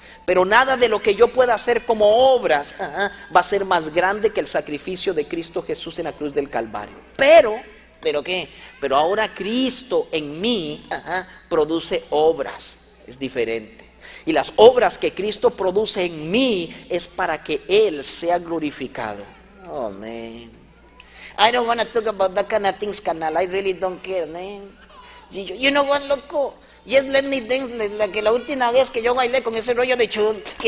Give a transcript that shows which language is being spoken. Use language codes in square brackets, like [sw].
[es] Pero nada de lo que yo pueda hacer como obras va a ser más grande que el sacrificio de Cristo Jesús en la cruz del Calvario. ¿Pero qué? Pero ahora Cristo en mí produce obras. Es diferente. Y las obras que Cristo produce en mí es para que Él sea glorificado. [en] Oh, man. I don't want to talk about that kind of things, canal. I really don't care, man. You know what, loco? Yes, let me dance. [es] Like la última vez que yo bailé con ese rollo de chun.